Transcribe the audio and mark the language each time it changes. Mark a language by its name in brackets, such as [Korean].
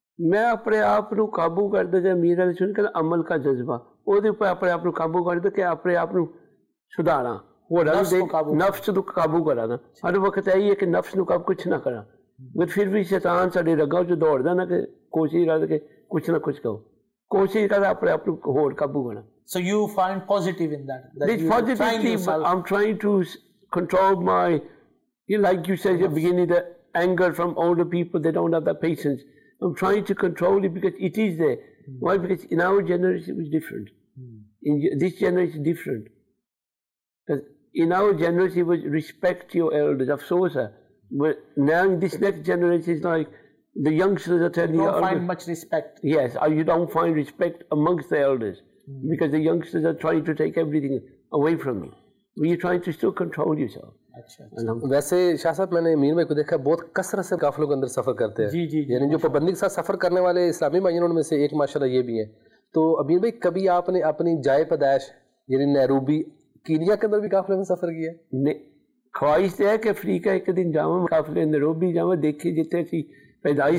[Urdu] میں اپنے آپ کو قابو کر دیا، میرا عمل کا جذبہ وہ اپنے آپ کو قابو کر دیا کہ اپنے آپ کو سدھارا، نفس کو قابو کرا نا. ہر وقت یہی ہے کہ نفس کو قابو کچھ نہ کرا، مگر پھر بھی شیطان [Punjabi] ساڈے رگاں چ دوڑدا [Urdu] نا کہ کوشش کر کے کچھ نہ کچھ کہو، کوشش کر اپنے آپ کو ہور قابو کرنا. [English] So you find positive in that, that this positive thing, I'm trying to control my, you know, like you said at the beginning, the anger from older people, they don't have that patience. I'm trying to control it because it is there. Why? Because in our generation it was different. In this generation different, because in our generation it was respect your elders of sosa, but now this next generation is like the youngsters are telling you don't find much respect. Yes, you don't find respect amongst the elders. Because the youngsters are trying to take everything away from me. You're trying to still control yourself. [Urdu] ویسے شاہ صاحب میں نے میر بھائی کو دیکھا بہت کثرت سے قافلوں کے اندر سفر کرتے ہیں، یعنی جو پابندی کے ساتھ سفر کرنے والے اسلامی بھائیوں میں سے ایک ماشاء اللہ یہ بھی ہے. تو امیر بھائی کبھی آپ نے اپنی جائے پیدائش یعنی نیروبی کینیا کے اندر بھی قافلے میں سفر کیا؟ خواہش تو ہے کہ افریقہ ایک دن جاؤں، قافلے نیروبی جاؤں، دیکھیں جتنے کی پیدائش